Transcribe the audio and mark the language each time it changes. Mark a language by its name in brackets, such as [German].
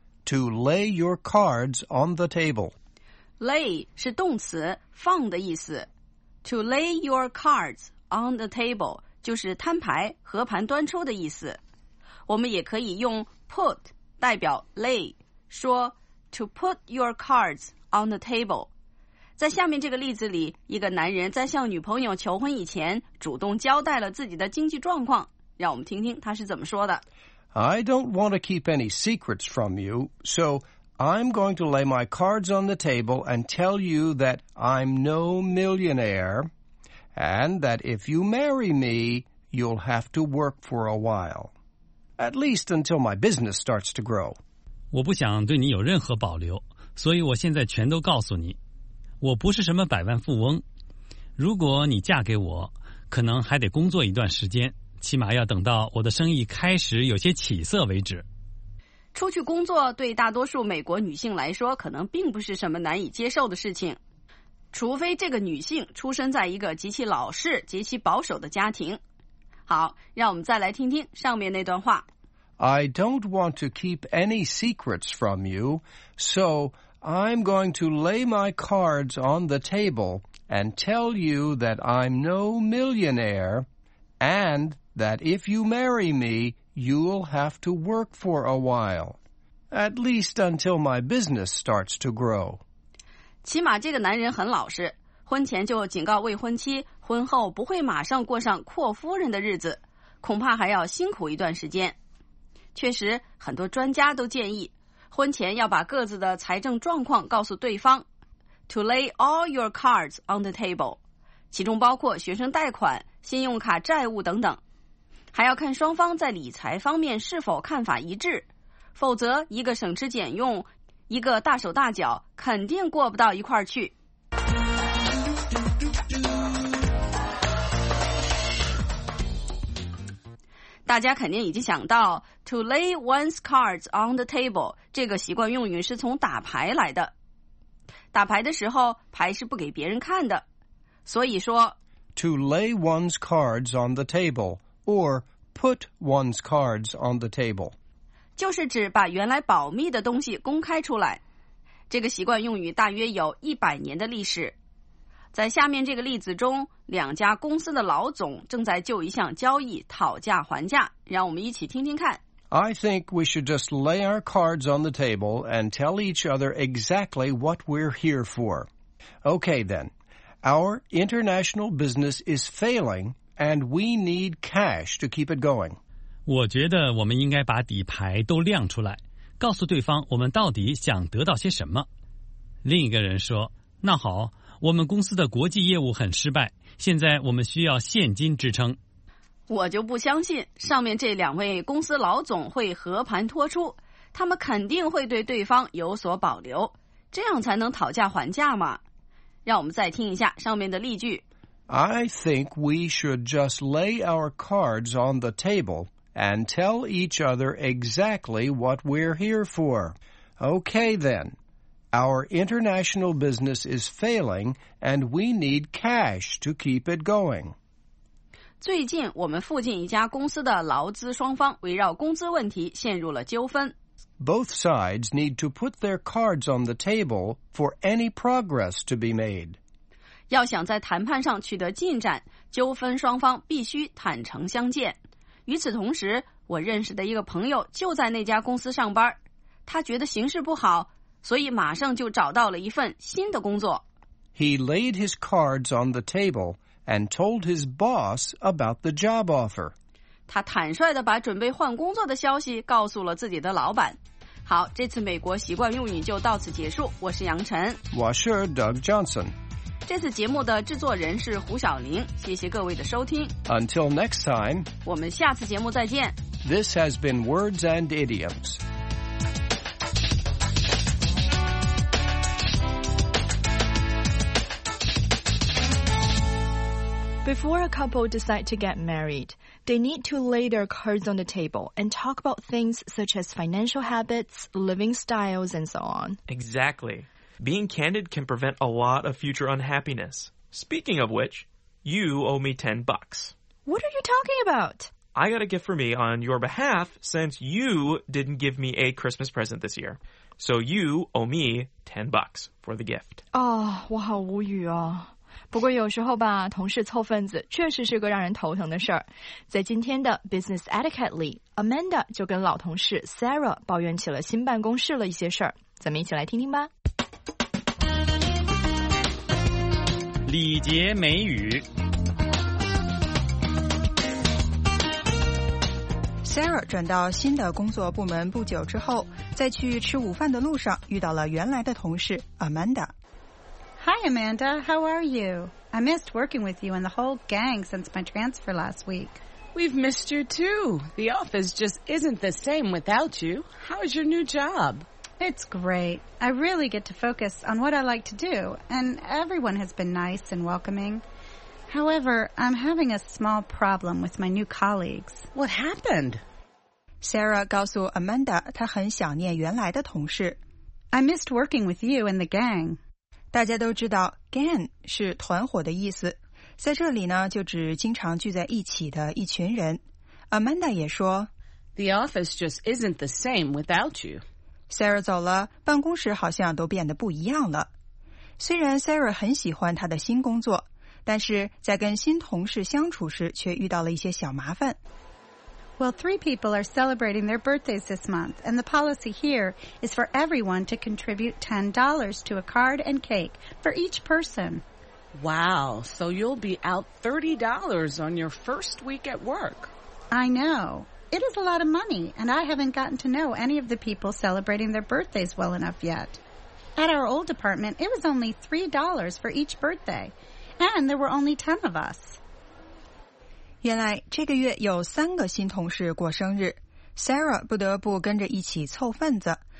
[English] To lay your cards on the table. [Chinese] Lay 是动词放的意思。 [English] To lay your cards on the table [Chinese] 就是摊牌和盘端出的意思。我们也可以用 put 代表 lay, 说 [English] to put your cards on the table. [Chinese] 在下面这个例子里，一个男人在向女朋友求婚以前主动交代了自己的经济状况，让我们听听他是怎么说的。 [English] I don't want to keep any secrets from you, so I'm going to lay my cards on the table and tell you that I'm no millionaire and that if you marry me, you'll have to work for a while, at least until my business starts to grow. [Chinese] 我不想对你有任何保留，所以我现在全都告诉你，我不是什么百万富翁，如果你嫁给我，可能还得工作一段时间，起码要等到我的生意开始有些起色为止。出去工作对大多数美国女性来说可能并不是什么难以接受的事情，除非这个女性出生在一个极其老式极其保守的家庭。好，让我们再来听听上面那段话。 [English] I don't want to keep any secrets from you, soI'm going to lay my cards on the table and tell you that I'm no millionaire and that if you marry me, you'll have to work for a while, at least until my business starts to grow. [Chinese] 起码这个男人很老实，婚前就警告未婚妻婚后不会马上过上阔夫人的日子，恐怕还要辛苦一段时间。确实，很多专家都建议婚前要把各自的财政状况告诉对方。 [English] To lay all your cards on the table, [Chinese] 其中包括学生贷款、信用卡债务等等，还要看双方在理财方面是否看法一致，否则一个省吃俭用，一个大手大脚，肯定过不到一块儿去。大家肯定已经想到 [English] to lay one's cards on the table [Chinese] 这个习惯用语是从打牌来的。打牌的时候牌是不给别人看的，所以说 [English] to lay one's cards on the table or put one's cards on the table [Chinese] 就是指把原来保密的东西公开出来。这个习惯用语大约有100年的历史。在下面这个例子中，两家公司的老总正在就一项交易讨价还价，让我们一起听听看。 [English] I think we should just lay our cards on the table and tell each other exactly what we're here for. Okay then, our international business is failing and we need cash to keep it going. [Chinese] 我觉得我们应该把底牌都亮出来，告诉对方我们到底想得到些什么。另一个人说，那好，我们公司的国际业务很失败，现在我们需要现金支撑。我就不相信上面这两位公司老总会和盘托出，他们肯定会对对方有所保留，这样才能讨价还价嘛。让我们再听一下上面的例句。 [English] I think we should just lay our cards on the table and tell each other exactly what we're here for. Okay then, our international business is failing and we need cash to keep it going. [Chinese] 最近我们附近一家公司的劳资双方围绕工资问题陷入了纠纷。 [English] Both sides need to put their cards on the table for any progress to be made. [Chinese] 要想在谈判上取得进展，纠纷双方必须坦诚相见。与此同时，我认识的一个朋友就在那家公司上班，他觉得形势不好，所以马上就找到了一份新的工作。 [English] He laid his cards on the table. And told his boss about the job offer. [Chinese] 他坦率地把准备换工作的消息告诉了自己的老板。好，这次美国习惯用语就到此结束。我是杨晨。我是 Doug Johnson。这次节目的制作人是胡晓玲。谢谢各位的收听。 [English] Until next time. [Chinese] 我们下次节目再见。 [English] This has been Words and Idioms. Before a couple decide to get married, they need to lay their cards on the table and talk about things such as financial habits, living styles, and so on. Exactly. Being candid can prevent a lot of future unhappiness. Speaking of which, you owe me $10. What are you talking about? I got a gift for me on your behalf since you didn't give me a Christmas present this year. So you owe me $10 for the gift. [Chinese] Oh, 我好无语啊。不过有时候吧，同事凑份子确实是个让人头疼的事儿。在今天的 Business Etiquette 里， Amanda 就跟老同事 Sarah 抱怨起了新办公室了一些事儿。咱们一起来听听吧。礼节美语。 Sarah 转到新的工作部门不久之后，在去吃午饭的路上遇到了原来的同事 Amanda [English] Hi, Amanda. How are you? I missed working with you and the whole gang since my transfer last week. We've missed you, too. The office just isn't the same without you. How's your new job? It's great. I really get to focus on what I like to do, and everyone has been nice and welcoming. However, I'm having a small problem with my new colleagues. What happened? [Chinese] Sarah 告诉 Amanda 她很想念原来的同事。 [English] I missed working with you and the gang. [Chinese] 大家都知道 gang 是团伙的意思，在这里呢就指经常聚在一起的一群人。 Amanda 也说 [English] The office just isn't the same without you. [Chinese] Sarah 走了，办公室好像都变得不一样了。虽然 Sarah 很喜欢她的新工作，但是在跟新同事相处时却遇到了一些小麻烦。 [English] Well, three people are celebrating their birthdays this month, and the policy here is for everyone to contribute $10 to a card and cake for each person. Wow, so you'll be out $30 on your first week at work. I know. It is a lot of money, and I haven't gotten to know any of the people celebrating their birthdays well enough yet. At our old department, it was only $3 for each birthday, and there were only 10 of us. [Chinese] 原来这个月有三个新同事过生日， Sarah 不得不跟着一起凑份子。